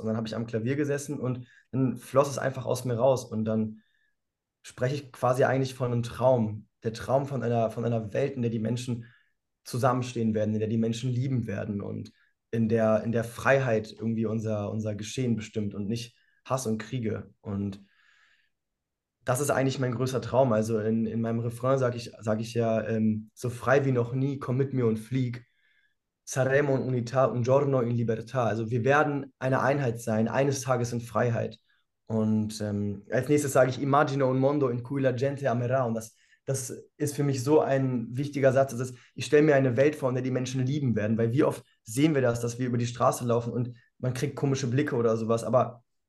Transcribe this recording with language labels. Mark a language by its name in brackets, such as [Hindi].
[German] Und dann habe ich am Klavier gesessen und dann floss es einfach aus mir raus und dann spreche ich quasi eigentlich von einem Traum, der Traum von einer Welt, in der die Menschen zusammenstehen werden, in der die Menschen lieben werden und in der Freiheit irgendwie unser Geschehen bestimmt und nicht Hass und Kriege. Und das ist eigentlich mein größter Traum. Also in meinem Refrain sag ich ja, so frei wie noch nie, komm mit mir und flieg. [Italian] Saremo in unità, un giorno in libertà. [German] Also wir werden eine Einheit sein, eines Tages in Freiheit. Und als nächstes sage ich, [Italian] Imagino un mondo in cui la gente amerà. [German] Und das ist für mich so ein wichtiger Satz. Das ist, ich stelle mir eine Welt vor, in der die Menschen lieben werden. Weil wie oft sehen wir das, dass wir über die Straße laufen und man kriegt komische Blicke oder sowas. Aber